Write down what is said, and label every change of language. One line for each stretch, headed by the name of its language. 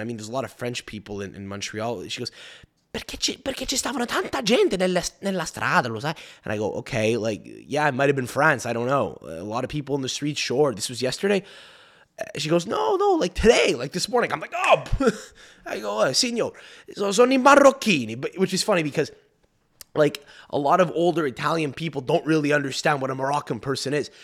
English: I mean, there's a lot of French people in Montreal. She goes,
Italian: perché ci stavano tanta gente nella strada, lo sai?
English: And I go, okay, like, yeah, it might have been France. I don't know. A lot of people in the streets, sure. This was yesterday. She goes, no, like today, like this morning. I'm like, oh. I go,
Italian: signor, sono I marocchini,
English: which is funny because, like, a lot of older Italian people don't really understand what a Moroccan person is.